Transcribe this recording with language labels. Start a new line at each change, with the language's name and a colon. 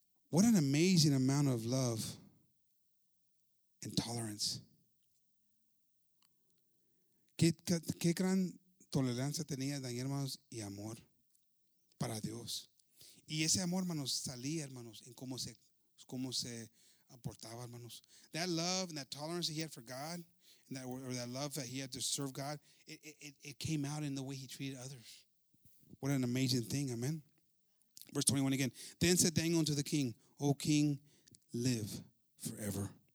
English: What an amazing amount of love and tolerance.
Spanish: Qué gran tolerancia tenía Daniel, hermanos, y amor para Dios. Y ese amor, hermanos, salía, hermanos, en cómo se aportaba, hermanos.
English: That love and that tolerance that he had for God, and that love that he had to serve God, it came out in the way he treated others. What an amazing thing, amen. Verse 21 again. Then said Daniel unto the king, O king, live forever.